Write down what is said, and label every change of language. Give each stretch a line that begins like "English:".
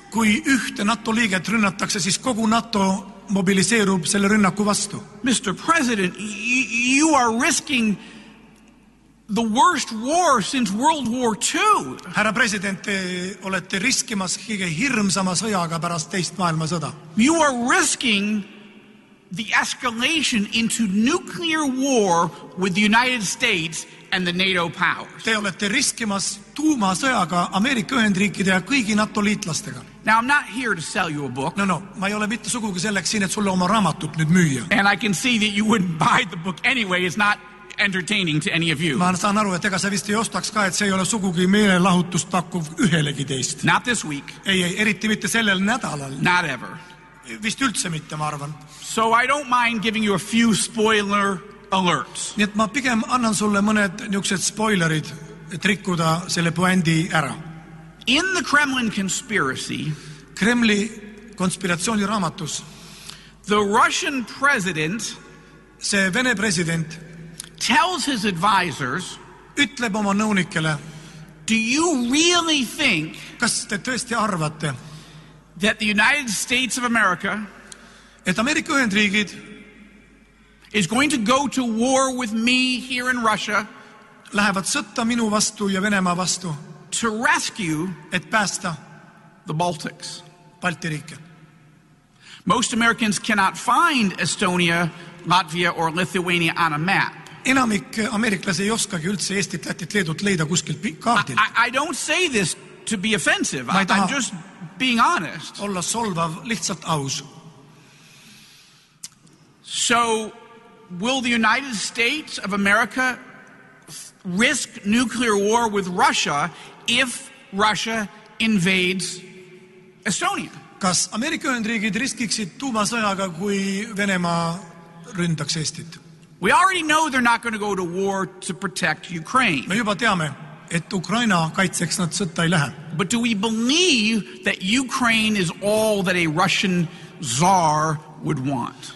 Estonian: Kui ühte NATO liiget rünnatakse, siis kogu NATO mobiliseerub selle rünnaku vastu.
English: Mr. President, you are risking the worst war since World War II.
Estonian: Härra president, te olete riskimas kõige hirmsama sõjaga pärast teist maailmasõda.
English: You are risking the escalation into nuclear war with the United States and the NATO powers.
Estonian: Te olete riskimas tuumasõjaga Ameerika Ühendriikide ja kõigi NATO liitlastega.
English: Now I'm not here to sell you a book.
Estonian: No, ma ei ole mitte sugugi selleks siin, et sulle oma raamatut nüüd müüa.
English: And I can see that you wouldn't buy the book anyway. It's not entertaining to any of you.
Estonian: Ma saan aru, et ega sa vist ei ostaks ka, et see ei ole sugugi meelelahutust pakkuv ühelegi teist.
English: Not this week.
Estonian: Ei, eriti mitte sellel nädalal.
English: Not ever.
Estonian: Vist üldse mitte, ma arvan.
English: So I don't mind giving you a few spoiler alerts.
Estonian: Nii et ma pigem annan sulle mõned niuksed spoilerid, et rikkuda selle poendi ära.
English: In the Kremlin conspiracy,
Estonian: Kremli konspiratsiooni raamatus,
English: the Russian president,
Estonian: see Vene president,
English: tells his advisors,
Estonian: ütleb oma nõunikele,
English: do you really think,
Estonian: kas te tõesti arvate,
English: that the United States of America,
Estonian: et Ameerika Ühendriigid,
English: is going to go to war with me here in Russia,
Estonian: lähevad sõtta minu vastu ja Venema vastu,
English: to rescue
Estonian: et päästa
English: the Baltics.
Estonian: Balti riike.
English: Most Americans cannot find Estonia, Latvia or Lithuania on a map.
Estonian: Enamik ameeriklasi ei oskagi üldse Eestit, Lätit, Leedut leida kuskil kaardil.
English: I don't say this to be offensive. I'm just being honest.
Estonian: Olla solvav, lihtsalt aus.
English: So will the United States of America risk nuclear war with Russia if Russia invades Estonia?
Estonian: Kas Ameerika Ühendriigid riskiksid tuumasõjaga, kui Venema ründaks Eestit?
English: We already know they're not going to go to war to protect Ukraine.
Estonian: Me juba teame, et Ukraina kaitseks nad sõtta ei lähe.
English: But do we believe that Ukraine is all that a Russian czar would want?